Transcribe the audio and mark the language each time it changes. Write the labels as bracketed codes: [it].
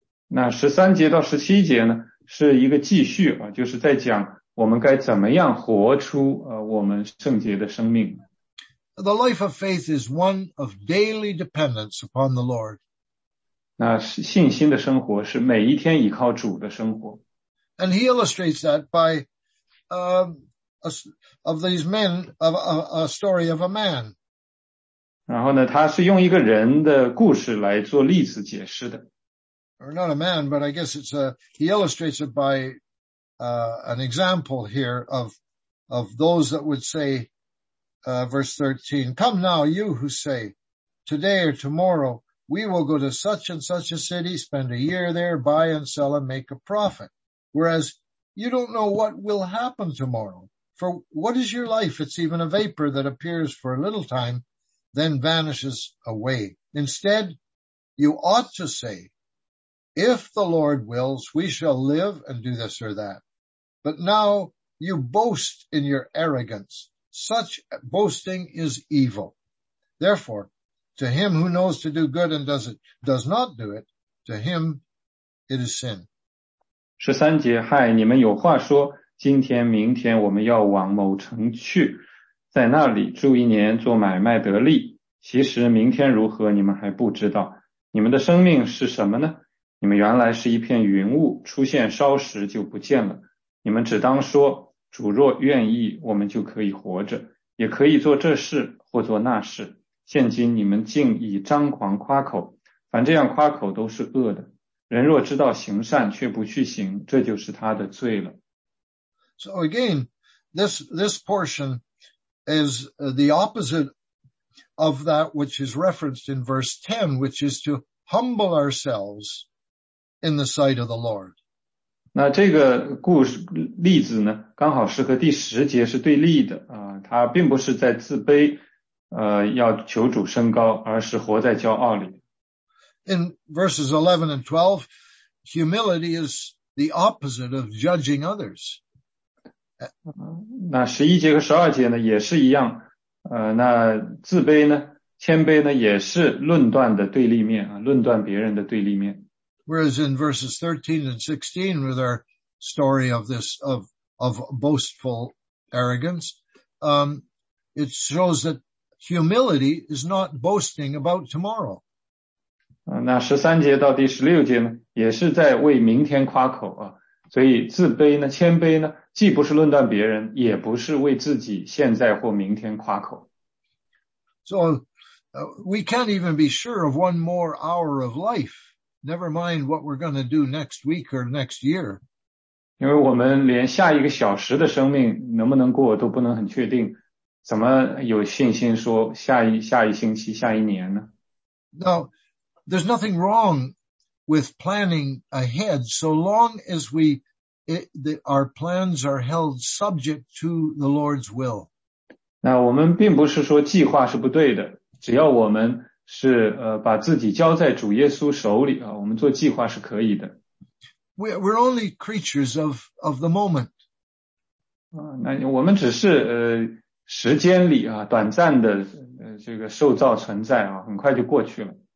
[zh] 那13节到17节呢，是一个继续啊，就是在讲我们该怎么样活出我们圣洁的生命。 [en] The life of faith is one of daily dependence upon the Lord. [zh] 那信心的生活是每一天依靠主的生活。 [en] And he illustrates that by of these men, of a story of a man. [zh] 然后呢，他是用一个人的故事来做例子解释的。 [en] Or not a man, but I guess he illustrates it by an example here of those that would say, verse 13, come now, you who say, today or tomorrow, we will go to such and such a city, spend a year there, buy and sell and make a profit. Whereas you don't know what will happen tomorrow. For what is your life? It's even a vapor that appears for a little time, then vanishes away. Instead, you ought to say, if the Lord wills, we shall live and do this or that. But now you boast in your arrogance. Such boasting is evil. Therefore, to him who knows to do good and does not do it, to him it is sin. [zh] 13节，嗨，你们有话说，今天明天我们要往某城去，在那里住一年，做买卖得利。其实明天如何，你们还不知道。你们的生命是什么呢？你们原来是一片云雾，出现烧时就不见了。你们只当说，主若愿意，我们就可以活着，也可以做这事或做那事。现今你们竟以张狂夸口，凡这样夸口都是恶的。人若知道行善却不去行，这就是他的罪了。 [en] So again, this portion is the opposite of that which is referenced in verse 10, which is to humble ourselves in the sight of the Lord. [zh] 那这个故事例子呢，刚好是和第十节是对立的啊，他并不是在自卑，要求主升高，而是活在骄傲里。 [en] In verses 11 and 12, humility is the opposite of judging others. [zh] 那11节和12节呢也是一样，那自卑呢，谦卑呢也是论断的对立面，论断别人的对立面。 [en] Whereas in verses 13 and 16 with our story of this, of boastful arrogance, it shows that humility is not boasting about tomorrow. [zh] 那13节到第16节呢也是在为明天夸口啊，所以自卑呢谦卑呢既不是论断别人，也不是为自己现在或明天夸口。 [en] So, we can't even be sure of one more hour of life. Never mind what we're going to do next week or next year. [zh] 因为我们连下一个小时的生命能不能过都不能很确定，怎么有信心说下一星期下一年呢？ [en] Now, there's nothing wrong with planning ahead so long as our plans are held subject to the Lord's will. [zh] 那我们并不是说计划是不对的，只要我们是把自己交在主耶稣手里啊，我们做计划是可以的。 [en] We're only creatures of the moment. [zh] 那我们只是时间里啊短暂的这个受造存在啊，很快就过去了。